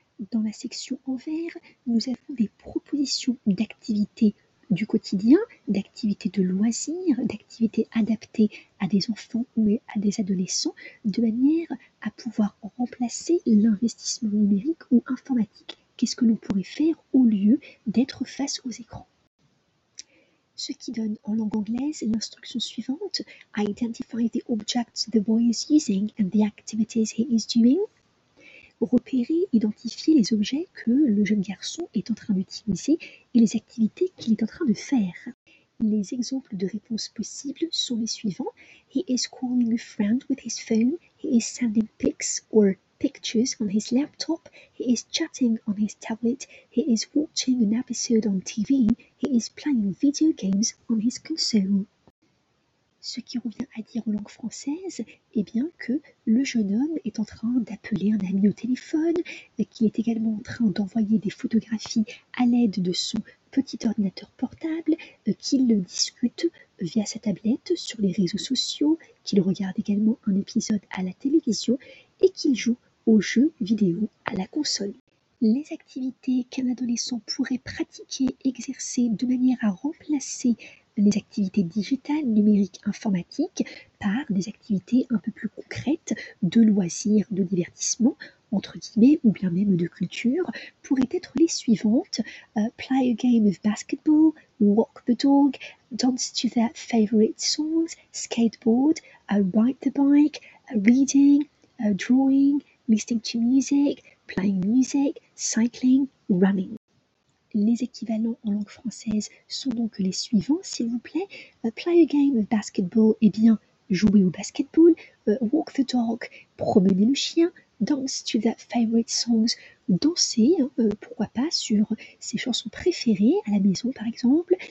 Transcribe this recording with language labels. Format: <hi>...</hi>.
<fr>Dans la section en vert, nous avons des propositions d'activités du quotidien, d'activités de loisirs, d'activités adaptées à des enfants ou à des adolescents, de manière à pouvoir remplacer l'investissement numérique ou informatique. Qu'est-ce que l'on pourrait faire au lieu d'être face aux écrans? Ce qui donne en langue anglaise l'instruction suivante.</fr> <en>Identify the objects the boy is using and the activities he is doing.</en> <fr>Repérer, identifier les objets que le jeune garçon est en train d'utiliser et les activités qu'il est en train de faire. Les exemples de réponses possibles sont les suivants.</fr> <en>He is calling a friend with his phone. He is sending pics or pictures on his laptop. He is chatting on his tablet. He is watching an episode on TV. He is playing video games on his console.</en> <fr>Ce qui revient à dire en langue française, eh bien que le jeune homme est en train d'appeler un ami au téléphone, qu'il est également en train d'envoyer des photographies à l'aide de son petit ordinateur portable, qu'il discute via sa tablette sur les réseaux sociaux, qu'il regarde également un épisode à la télévision et qu'il joue aux jeux vidéo à la console. Les activités qu'un adolescent pourrait pratiquer, exercer de manière à remplacer les activités digitales, numériques, informatiques, par des activités un peu plus concrètes de loisirs, de divertissement, entre guillemets, ou bien même de culture, pourraient être les suivantes.</fr> <en>Play a game of basketball, walk the dog, dance to their favorite songs, skateboard, ride the bike, reading, drawing, listening to music, playing music, cycling, running.</en> <fr>Les équivalents en langue française sont donc les suivants, s'il vous plaît.</fr> <en>Play a game of basketball,</en> <fr>eh bien, jouer au basketball.</fr> <en>Walk the dog,</en> <fr>promener le chien.</fr> <en>Dance to the favorite songs,</en> <fr>danser, pourquoi pas, sur ses chansons préférées à la maison, par exemple.</fr>